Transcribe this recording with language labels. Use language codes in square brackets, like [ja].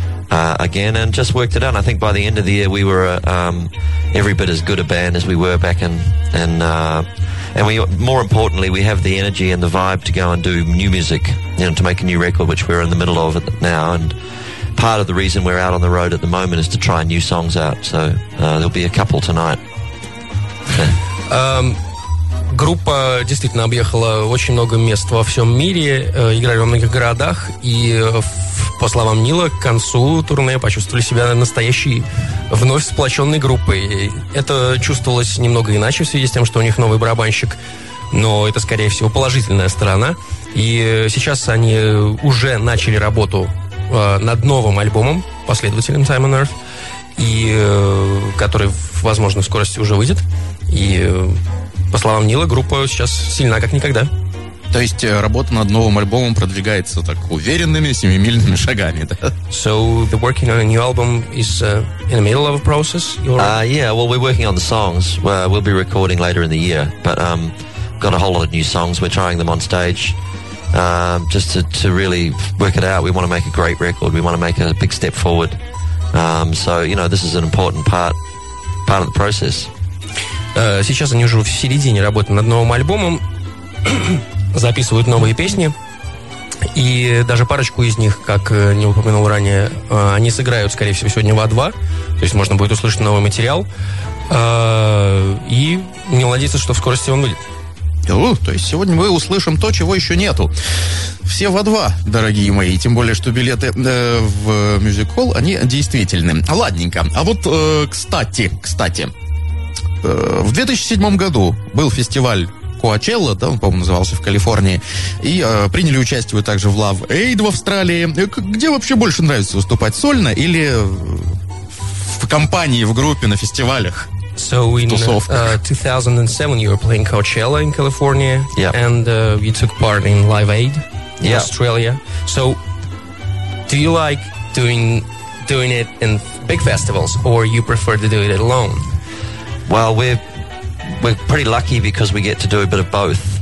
[en] Again, and just worked it out. I think by the end of the year, we were every bit as good a band as we were back and we, more importantly, we have the energy and the vibe to go and do new music, you know, to make a new record, which we're in the middle of it now. And part of the reason we're out on the road at the moment is to try new songs out. So there'll be a couple tonight. [ru] Группа действительно объехала очень много мест во всем мире, играли во многих городах, и, по словам Нила, к концу турне почувствовали себя настоящей, вновь сплоченной группой. Это чувствовалось немного иначе в связи с тем, что у них новый барабанщик, но это, скорее всего, положительная сторона. И сейчас они уже начали работу над новым альбомом, последователем Time on Earth, и, который, возможно, в скорости уже выйдет. И... По словам Нила, группа сейчас сильна, как никогда. То есть работа над новым альбомом продвигается так уверенными, семимильными шагами, да? [en] So, the working on a new album is in the middle of a process? Yeah, well, we're working on the songs. We'll be recording later in the year. But got a whole lot of new songs. We're trying them on stage just to really work it out. We want to make a great record. We want to make a big step forward. So, you know, this is an important part of the process. [ru] Сейчас они уже в середине работы над новым альбомом, записывают новые песни, и даже парочку из них, как не упомянул ранее, они сыграют, скорее всего, сегодня в А2, то есть можно будет услышать новый материал, и не надеяться, что в скорости он выйдет. То есть сегодня мы услышим то, чего еще нету. Все в А2, дорогие мои. Тем более, что билеты в Music Hall, они действительны. Ладненько. А вот, кстати... В 2007 году был фестиваль Coachella, да, он, по-моему, назывался в Калифорнии, и приняли участие также в Love Aid в Австралии. Где вообще больше нравится выступать, сольно или в компании, в группе, на фестивалях, [en] so [ru] в тусовках? [en] So in 2007 you were playing Coachella in California, yeah. And you took part in Live Aid in, yeah, Australia. So do you like doing it in big festivals or you prefer to do it alone? Well, we're pretty lucky because we get to do a bit of both.